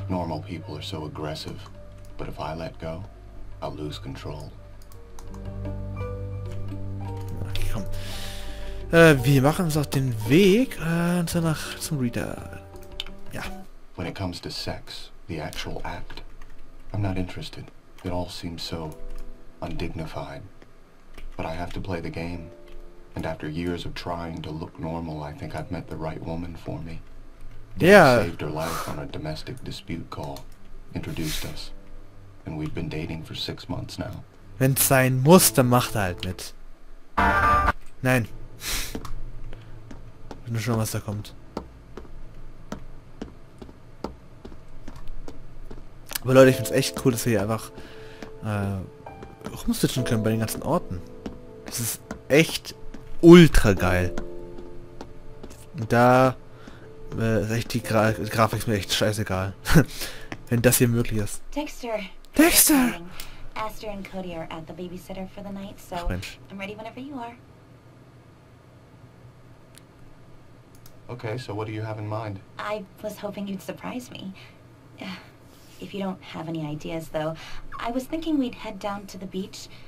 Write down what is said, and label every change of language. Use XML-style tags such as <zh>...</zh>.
<en>Normal people are so aggressive, but if I let go, I'll lose control.</en> <de>Okay, komm. Wir machen uns auf den Weg danach zum Reader. Ja.</de> <en>When it comes to sex, the actual act, I'm not interested. It all seems so undignified. But I have to play the game. And after years of trying to look normal, I think I've met the right woman for me. Yeah. Dad saved her life on a domestic dispute call, introduced us, and we've been dating for 6 months now.</en> <de>Wenn's sein muss, dann macht halt mit. Nein. Ich weiß schon, was da kommt. Aber Leute, ich find's echt cool, dass wir hier einfach rumswitchen können bei den ganzen Orten. Das ist echt ultra geil. Da ist echt die Grafik ist mir echt scheißegal. Wenn das hier möglich ist.</de> <en>Dexter! Dexter! Aster and Cody are at the babysitter for the night, so I'm ready whenever you are. Okay, so what do you have in mind? I was hoping you'd surprise me. If you don't have any ideas though, I was thinking we'd head down to the beach.</en>